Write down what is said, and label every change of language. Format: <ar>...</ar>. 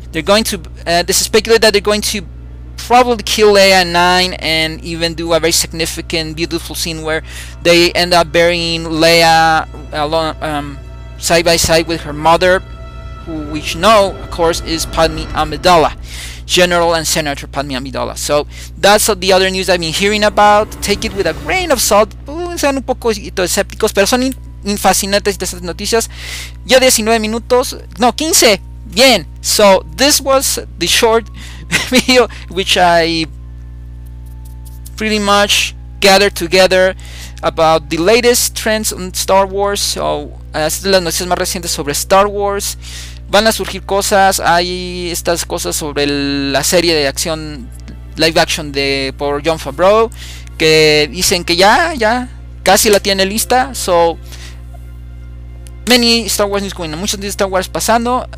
<en>They're going to, this is speculated that they're going to probably kill Leia in 9 and even do a very significant, beautiful scene where they end up burying Leia along, side by side with her mother, who we know, of course, is Padme Amidala, General and Senator Padme Amidala. So that's the other news I've been hearing about. Take it with a grain of salt.</en> <es>Sean un poco escépticos, pero son fascinantes estas noticias. Ya 19 minutos. No, 15. Bien.</es> <en>So this was the short video which I pretty much gathered together about the latest trends on Star Wars.</en> <es>So estas son las noticias más recientes sobre Star Wars. Van a surgir cosas, hay estas cosas sobre la serie de acción, live action de por Jon Favreau, que dicen que ya, casi la tiene lista.</es> <en>So, many Star Wars news going on,</en> <es>muchos de Star Wars pasando.</es>